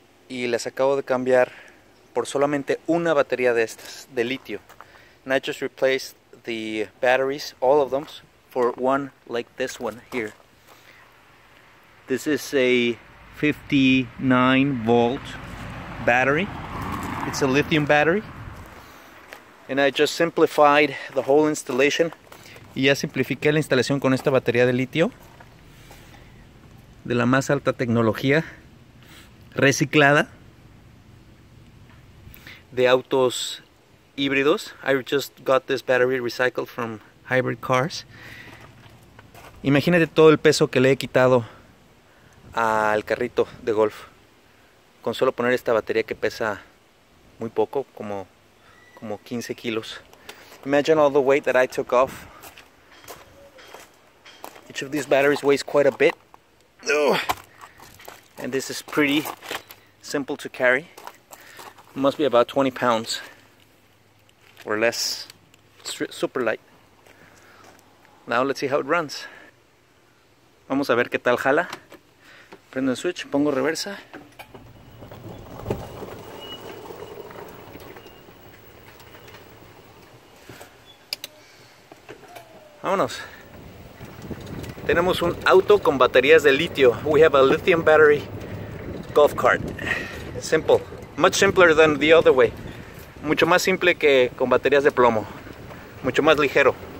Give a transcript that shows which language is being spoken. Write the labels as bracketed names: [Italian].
[Spanish] Y las acabo de cambiar por solamente una batería de estas, de litio. [English] And I just replaced the batteries, all of them, for one like this one here. This is a 59 volt battery. It's a lithium battery. And I just simplified the whole installation. [Spanish] Y ya simplifiqué la instalación con esta batería de litio de la más alta tecnología reciclada de autos híbridos. [English] I just got this battery recycled from hybrid cars. [Spanish] Imagínate todo el peso que le he quitado al carrito de golf con solo poner esta batería que pesa muy poco, como 15 kilos. [English] Imagine all the weight that I took off. Each of these batteries weighs quite a bit. Ugh. And this is pretty simple to carry. It must be about 20 pounds or less. Super light. Now let's see how it runs. [Spanish] Vamos a ver qué tal jala. Prendo el switch, pongo reversa. Vámonos. Tenemos un auto con baterías de litio. [English] We have a lithium battery golf cart. Simple. Much simpler than the other way. [Spanish] Mucho más simple que con baterías de plomo. Mucho más ligero.